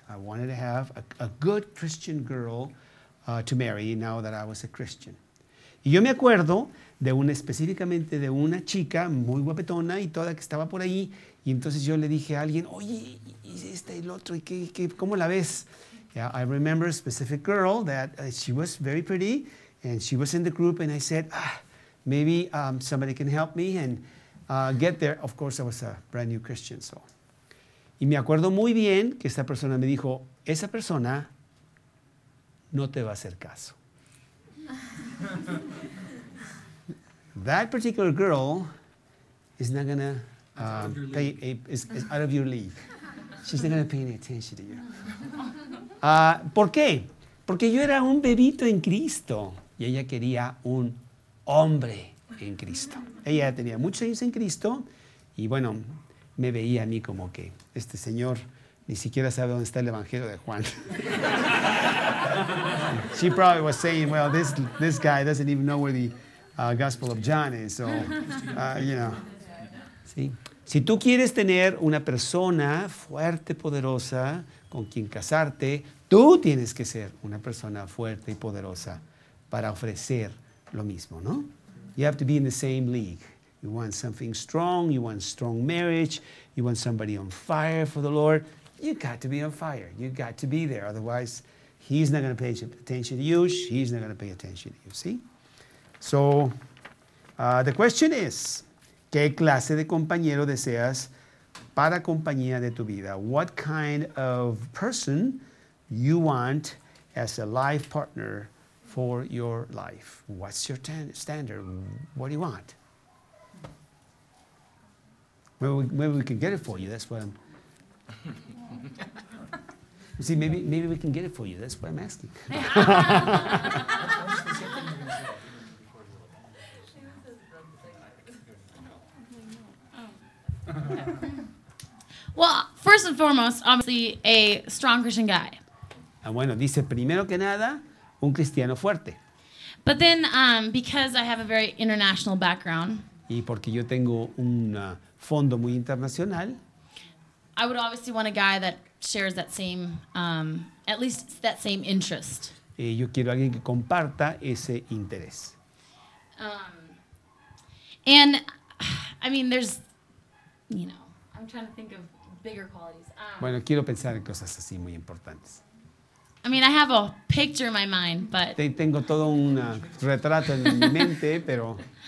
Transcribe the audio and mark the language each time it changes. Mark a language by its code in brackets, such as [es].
[en] I wanted to have a good Christian girl to marry now that I was a Christian. [es] Y yo me acuerdo específicamente de una chica muy guapetona y toda que estaba por ahí. Y entonces yo le dije a alguien, oye, ¿y este el otro? ¿Y qué, cómo la ves? [en] Yeah, I remember a specific girl that she was very pretty and she was in the group. And I said, maybe somebody can help me and get there. Of course, I was a brand new Christian, so. [es] Y me acuerdo muy bien que esta persona me dijo, esa persona no te va a hacer caso. [en] That particular girl is not going to pay is out of your league. She's not going to pay any attention to you. [es] ¿Por qué? Porque yo era un bebito en Cristo y ella quería un hombre en Cristo. Ella tenía muchos años en Cristo y bueno, me veía a mí como que este señor ni siquiera sabe dónde está el Evangelio de Juan. [en] She probably was saying, well, this guy doesn't even know where the Gospel of John is, so, you know. [es] ¿Sí? Si tú quieres tener una persona fuerte, poderosa, con quien casarte, tú tienes que ser una persona fuerte y poderosa para ofrecer lo mismo, ¿no? [en] You have to be in the same league. You want something strong, you want strong marriage, you want somebody on fire for the Lord, you got to be on fire. You got to be there. Otherwise, he's not going to pay attention to you, she's not going to pay attention to you, see? So, the question is, [es] ¿qué clase de compañero deseas para compañía de tu vida? [en] What kind of person you want as a life partner for your life? What's your standard? What do you want? Maybe we can get it for you. That's what I'm. See, maybe we can get it for you. That's what I'm asking. Well, first and foremost, obviously, a strong Christian guy. [es] Ah, bueno, dice primero que nada, un cristiano fuerte. [en] But then, because I have a very international background. [es] Y porque yo tengo un fondo muy internacional. [en] I would obviously want a guy that shares that same, at least that same interest. [es] Yo quiero alguien que comparta ese interés. [en] And, I mean, there's, you know, I'm trying to think of bigger qualities. [es] Bueno, quiero pensar en cosas así muy importantes. [en] I mean, I have a picture in my mind, but. [es] Tengo todo un retrato en mi mente, pero.